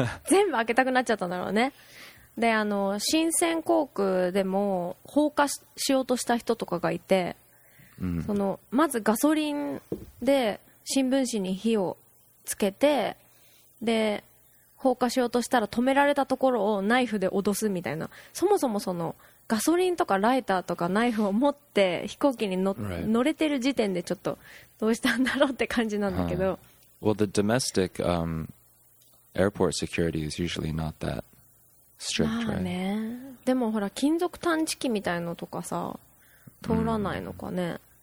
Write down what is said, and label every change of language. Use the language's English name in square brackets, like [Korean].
[Japanese] 全部開けたくなっちゃったんだろうね。で、新鮮航空でも放火しようとした人とかがいて、まずガソリンで新聞紙に火をつけて、で、放火しようとしたら止められたところをナイフで脅すみたいな。そもそもそのガソリンとかライターとかナイフを持って飛行機に乗れてる時点でちょっとどうしたんだろうって感じなんだけど。 [English] Well, the domestic, airport security is usually not that strict, right? [Japanese] まあね。でもほら金属探知機みたいのとかさ通らないのかね。